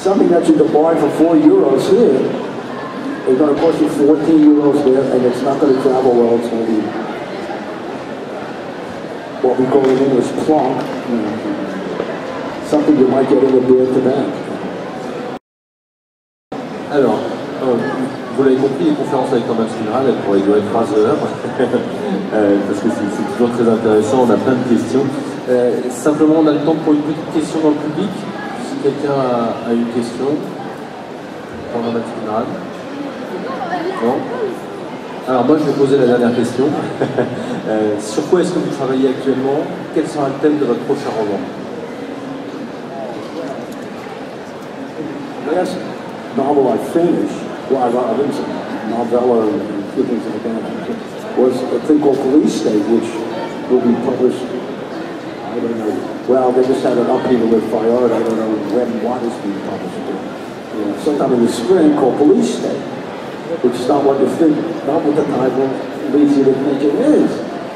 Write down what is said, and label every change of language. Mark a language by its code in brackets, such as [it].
[en] Something that you can buy for €4 here is going to cost you €14 there, and it's not going to travel well. It's going to be what we call in English plonk, something you might get in a beer today. [fr] Alors, vous l'avez compris, les conférences avec Thomas Funeral, elles pourraient durer 3 heures, parce que c'est toujours très intéressant, on a plein de questions. Simplement, on a le temps pour une petite question dans le public. Si quelqu'un a une question, Thomas Funeral. Non ? Alors moi, je vais poser la dernière question. Sur quoi est-ce que vous travaillez actuellement? Quel sera le thème de votre prochain roman? [en] The last novel I finished, well, I've written some novella and a few things like that, was a thing called Police State, which will be published, I don't know, well, they just had an upheaval with Fayard, I don't know when, what is being published, sometime in the spring, called Police State, which is not what you think, not what the title leads you to think it is.